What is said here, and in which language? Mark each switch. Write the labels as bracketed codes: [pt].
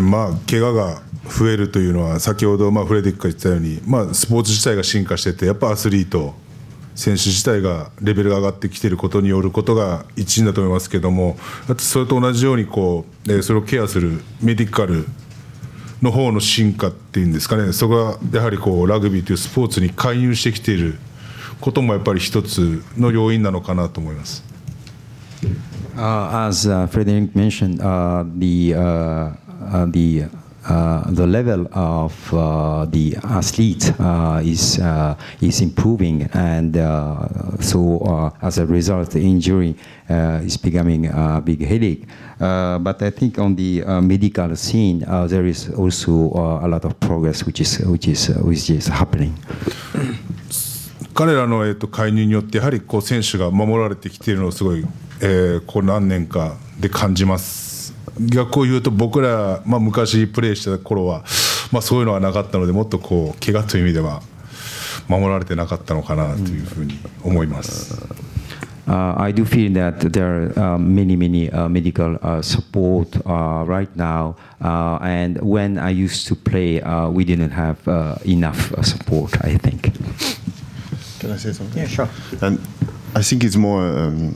[ja] まあ怪我が増えるというのは先ほどまあフレディックが言ったように、まあスポーツ自体が進化してて、やっぱアスリート選手自体がレベルが上がってきていることによることが一因だと思いますけども、あとそれと同じようにこう、それをケアするメディカルの方の進化っていうんですかね、そこがやはりこうラグビーというスポーツに介入してきていることもやっぱり一つの要因なのかなと思います。 [en] As Frederic mentioned, the level of the athlete is improving, and as a result, the injury is becoming a big headache. But I think on the medical scene, there is also a lot of progress which is happening. [ja] 彼らの介入によってやはりこう選手が守られてきているのをすごい、ここ何年かで感じます。逆を言うと僕ら、まあ、昔プレーした頃は、まあ、そういうのはなかったので、もっとこう怪我という意味では守られてなかったのかなというふうに思います。 [en] I do feel that there are many medical support right now, and when I used to play, we didn't have enough support, I think. Can I say something? Yeah, sure. And I think it's more.